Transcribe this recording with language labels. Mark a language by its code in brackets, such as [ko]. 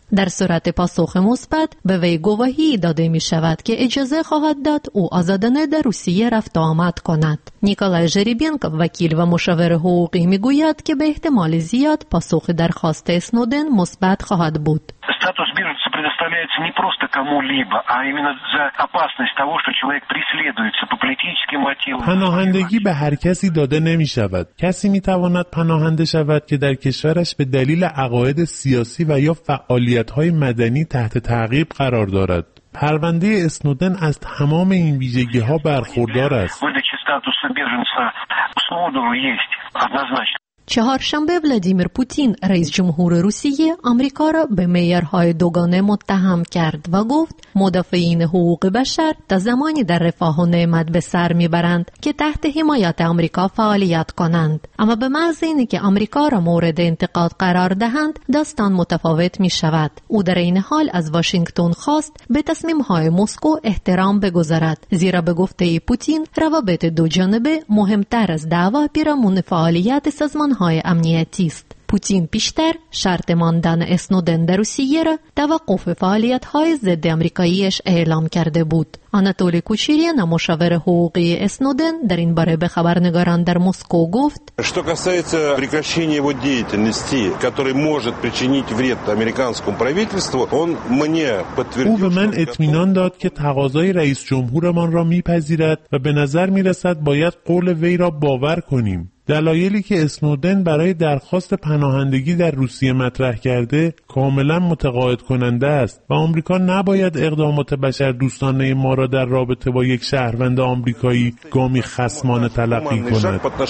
[fa] در صورت پاسخ مثبت به وی گواهی داده می شود که اجازه خواهد داد او آزادانه در روسیه رفت و آمد کند. نیکولای ژریبینکو، وکیل و مشاور حقوقی، می گوید که به احتمال زیاد پاسخ درخواست سنودن مثبت خواهد بود. [ru] Статус беженца предоставляется не просто кому-либо, а именно за опасность того, что человек преследуется по политическим мотивам. [fa] پناهندگی به هر کسی داده نمی شود. کسی می تواند پناهنده شود که در کشورش به دلیل عقاید سیاسی و یا فعالیت‌های مدنی تحت تعقیب قرار دارد. پرونده اسنودن از تمام این ویژگی‌ها برخوردار است. [ru] Выдача статуса беженца Сноудену есть однозначно. [fa] چهارشنبه ولادیمیر پوتین، رئیس جمهور روسیه، آمریکا را به معیارهای دوگانه متهم کرد و گفت مدافعین حقوق بشر تا زمانی در رفاه و نعمت به سر میبرند که تحت حمایت آمریکا فعالیت کنند. اما به محض اینکه آمریکا را مورد انتقاد قرار دهند، داستان متفاوت میشود. او در این حال از واشنگتن خواست به تصمیمهای مسکو احترام بگذارد، زیرا به گفته پوتین روابط دو جانبه مهمتر از دعوا پیرامون فعالیت سازمان های امنیتی است. پوتین پیشتر شرط ماندن اسنودن در روسیه را توقف فعالیت های ضد امریکاییش اعلام کرده بود. آناتولی کوچیرینا، مشاور حقوقی اسنودن، در این باره به خبرنگاران در مسکو گفت: [ru] "Что касается прекращения его деятельности, который может причинить вред американскому правительству, он мне подтвердил". [fa] او به من اطمینان داد که تقاضای رئیس جمهورمان را میپذیرد و به نظر میرسد باید قول وی را باور کنیم. دلایلی که اسنودن برای درخواست پناهندگی در روسیه مطرح کرده کاملا متقاعد کننده است و آمریکا نباید اقدامات بشردوستانه ما را در رابطه با یک شهروند آمریکایی گامی خصمانه تلقی کند.